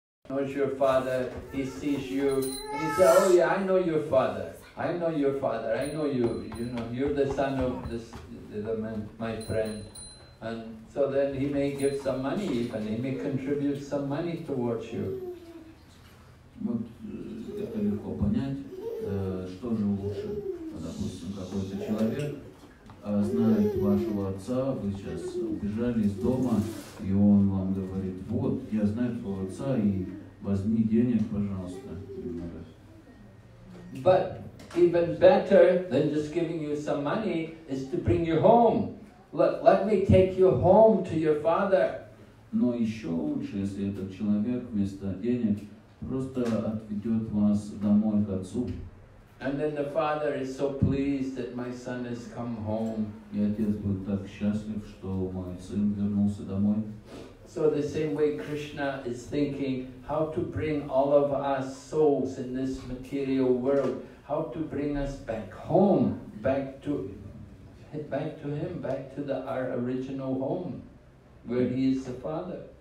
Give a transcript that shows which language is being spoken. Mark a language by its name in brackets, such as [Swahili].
[English] Knows your father, he sees you, and he says, oh yeah, I know your father, I know you, you're the son of this, my friend. And so then he may give some money even, he may contribute some money towards you. [Russian] Вот это легко понять, что же лучше, допустим, какой-то человек знает вашего отца, вы сейчас убежали из дома, и он вам говорит, вот, я знаю твоего отца, и возьми денег, пожалуйста. [English] But even better than just giving you some money is to bring you home. Let me take you home to your father. [Russian] Но еще лучше, если этот человек вместо денег просто отведет вас домой к отцу. [English] And then the father is so pleased that my son has come home. [Russian] И отец будет так счастлив, что мой сын вернулся домой. [English] So the same way Krishna is thinking how to bring all of us souls in this material world, how to bring us back home, back to him, back to our original home, where he is the father.